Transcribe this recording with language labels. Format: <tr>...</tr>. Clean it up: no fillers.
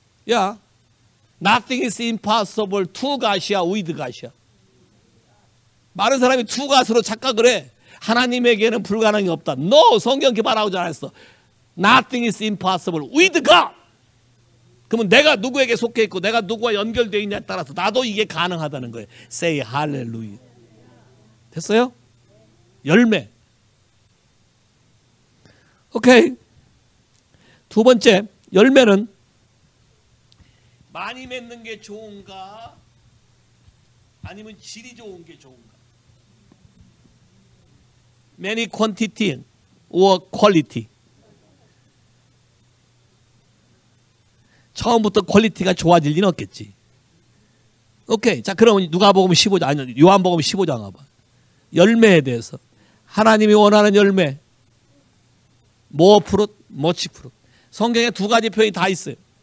<en>야, nothing is impossible to God이야, with God이야.</en> <ko>많은 사람이</ko> <en>to God</en> <ko>으로 착각을 해. 하나님에게는 불가능이 없다. No, 성경 기반하고 전했어.</ko> <en>Nothing is impossible with God.</en> <ko>그러면 내가 누구에게 속해 있고 내가 누구와 연결되어 있냐에 따라서 나도 이게 가능하다는 거예요.</ko> <en>Say hallelujah.</en> <ko>됐어요? 열매. 오케이. 두 번째 열매는 많이 맺는 게 좋은가 아니면 질이 좋은 게 좋은가?</ko> <en>Many quantity or quality.</en> <ko>처음부터 퀄리티가 좋아질 리는 없겠지. 오케이. 자, 그럼 누가복음 15장 아니 요한복음 15장 와봐. 열매에 대해서 하나님이 원하는 열매 모프룻 모치프룻. 성경에 두 가지 표현이 다 있어요.</ko>